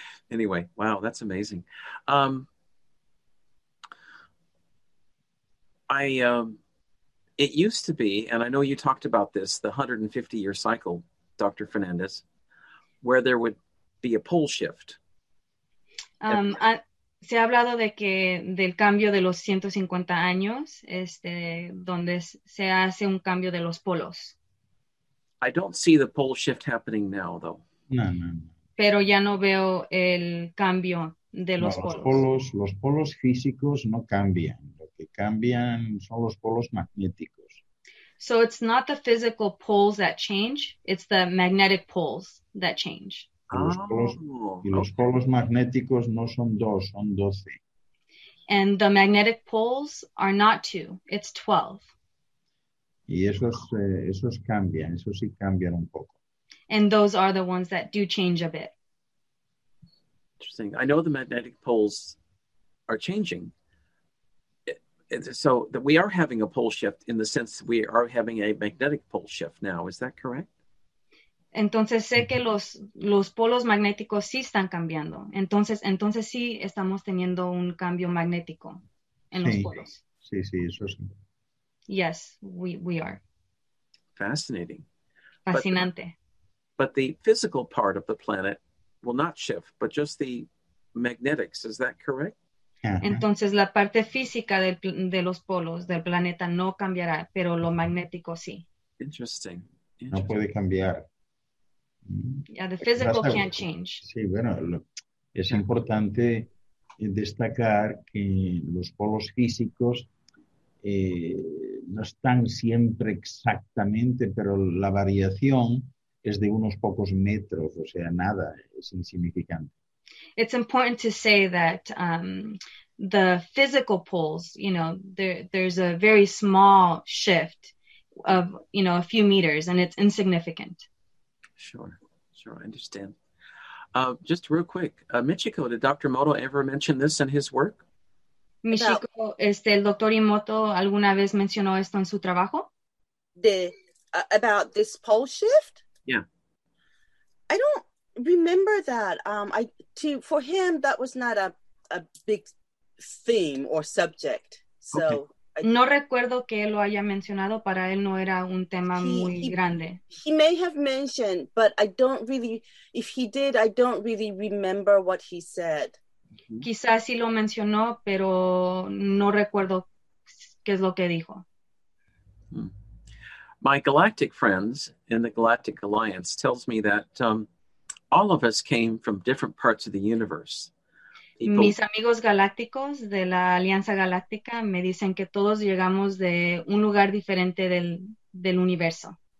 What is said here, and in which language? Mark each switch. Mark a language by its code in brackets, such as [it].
[en] Anyway, wow, that's amazing. It used to be, and I know you talked about this, the 150-year cycle, Dr. Fernandez, where there would be a pole shift. [es] Se ha hablado de que del cambio de los 150 años, donde se hace un cambio de los polos. [en] I don't see the pole shift happening now, though. [es] No. Pero ya no veo el cambio de los polos. Los polos físicos no cambian. Lo que cambian son los polos magnéticos. [en] So it's not the physical poles that change, it's the magnetic poles that change. [es] Los polos magnéticos no son dos, son 12. [en] And the magnetic poles are not two, it's 12. [es] Y esos cambian, esos sí cambian un poco. [en] And those are the ones that do change a bit. Interesting. I know the magnetic poles are changing. So that we are having a pole shift in the sense we are having a magnetic pole shift now. Is that correct? [es] Entonces sé que los polos magnéticos sí están cambiando. Entonces sí estamos teniendo un cambio magnético en los polos. Sí, eso sí. [en] Yes, we are. Fascinating. [es] Fascinante. [en] But the physical part of the planet will not shift, but just the magnetics. Is that correct? [es] Entonces la parte física de los polos del planeta no cambiará, pero lo magnético sí. [en] Interesting. [es] No puede cambiar. [en] Yeah, the physical can't change. [es] Sí, bueno, es importante destacar que los polos físicos no están siempre exactamente, pero la variación es de unos pocos metros, o sea, nada, es insignificante. [en] It's important to say that the physical poles, you know, there's a very small shift of, you know, a few meters, and it's insignificant. Sure, I understand. Just real quick, Michiko, did Dr. Imoto ever mention this in his work? [es] Michiko, no. ¿El Dr. Imoto alguna vez mencionó esto en su trabajo? [en] About this pole shift? Yeah. I don't remember that. For him, that was not a big theme or subject. So [es] okay. No recuerdo que él lo haya mencionado. Para él no era un tema muy grande. [en] He may have mentioned, but I don't really, if he did, I don't really remember what he said. Mm-hmm. [es] Quizás sí lo mencionó, pero no recuerdo qué es lo que dijo. [en] My galactic friends in the Galactic Alliance tells me that all of us came from different parts of the universe. [es] Mis amigos galácticos de la Alianza Galáctica me dicen que todos llegamos de un lugar diferente del universo.